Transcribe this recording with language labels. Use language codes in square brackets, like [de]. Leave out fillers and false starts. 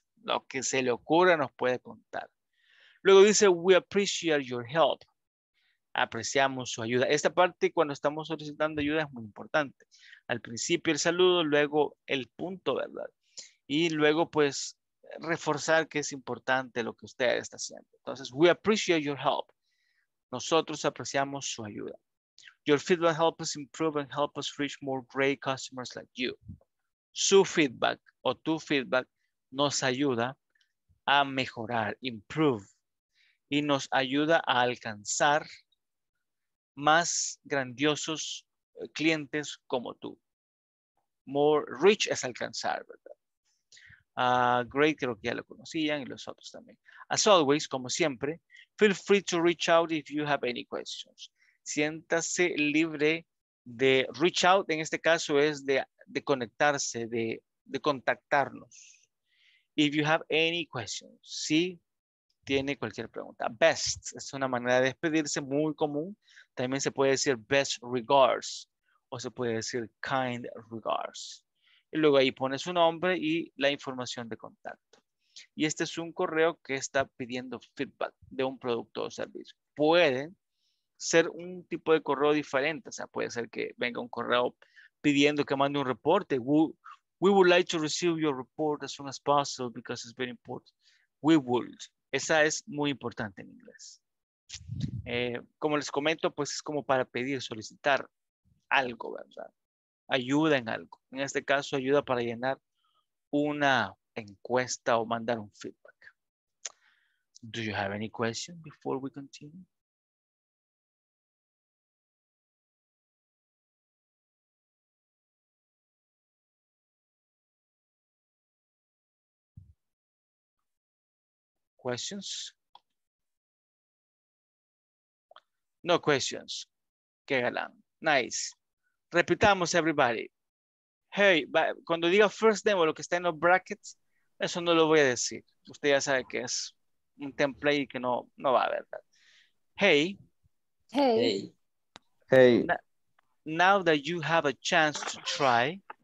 [es] Lo que se le ocurra nos puede contar. Luego dice, [en] we appreciate your help. [es] Apreciamos su ayuda. Esta parte, cuando estamos solicitando ayuda, es muy importante. Al principio el saludo, luego el punto, ¿verdad? Y luego, pues, reforzar que es importante lo que usted está haciendo. Entonces, [en] we appreciate your help. [es] Nosotros apreciamos su ayuda. [en] Your feedback helps us improve and help us reach more great customers like you. [es] Su feedback o tu feedback nos ayuda a mejorar, improve, y nos ayuda a alcanzar más grandiosos clientes como tú. [en] More rich [es] es alcanzar, ¿verdad? [en] Great, [es] creo que ya lo conocían, y los otros también. [en] As always, [es] como siempre, [en] feel free to reach out if you have any questions. [es] Siéntase libre de [en] reach out, [es] en este caso es de conectarse, de contactarnos. [en] If you have any questions, [es] sí, tiene cualquier pregunta. Best es una manera de despedirse muy común. También se puede decir best regards o se puede decir kind regards. Y luego ahí pone su nombre y la información de contacto. Y este es un correo que está pidiendo feedback de un producto o servicio. Puede ser un tipo de correo diferente. O sea, puede ser que venga un correo pidiendo que mande un reporte. [en] We would like to receive your report as soon as possible because it's very important. We would. [es] Esa es muy importante en inglés. Como les comento, pues es como para pedir, solicitar algo, ¿verdad? Ayuda en algo. En este caso, ayuda para llenar una encuesta o mandar un feedback. [en] Do you have any question before we continue? Questions? No questions. [es] Qué galán. [en] Nice. [es] Repitamos, [en] everybody. [es] Hey, cuando diga [en] first name [es] o lo que está en los brackets, eso no lo voy a decir. Usted ya sabe que es un template y que no va, ¿verdad? [en] Hey. Hey. Hey. Hey. Now that you have a chance to try.